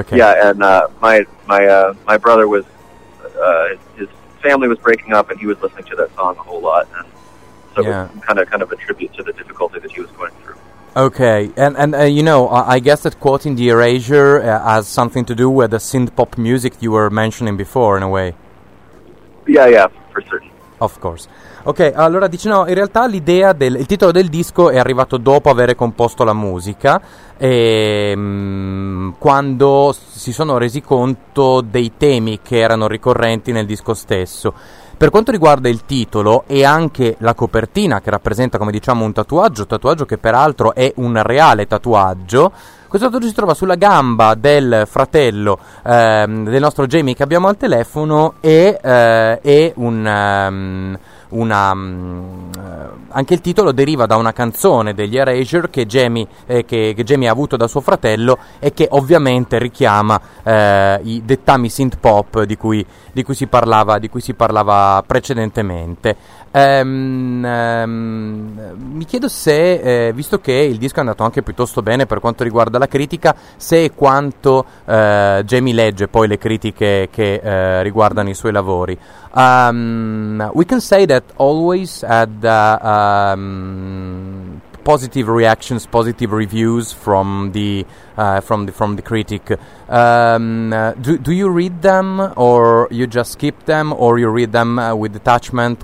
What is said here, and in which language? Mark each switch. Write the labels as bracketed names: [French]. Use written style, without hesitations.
[English] Yeah, and my brother was, his family was breaking up, and he was listening to that song a whole lot. And so yeah. It was kind of a tribute to the difficulty that he was going through. Okay, and you know, I guess that quoting the Erasure has something to do with the synth pop music you were mentioning before, in a way. Yeah, for certain. Of course. [Italian] Ok, allora dice no, in realtà l'idea il titolo del disco è arrivato dopo avere composto la musica e quando si sono resi conto dei temi che erano ricorrenti nel disco stesso. Per quanto riguarda il titolo e anche la copertina che rappresenta, come diciamo, un tatuaggio che peraltro è un reale tatuaggio, questo tatuaggio si trova sulla gamba del fratello del nostro Jamie che abbiamo al telefono e anche il titolo deriva da una canzone degli Erasure che Jamie ha avuto da suo fratello e che ovviamente richiama i dettami synth pop di cui si parlava precedentemente. Mi chiedo se, visto che il disco è andato anche piuttosto bene per quanto riguarda la critica, se e quanto Jamie legge poi le critiche che riguardano i suoi lavori. [English] We can say that always had positive reactions, positive reviews from the critic. Do you read them, or you just skip them, or you read them with detachment?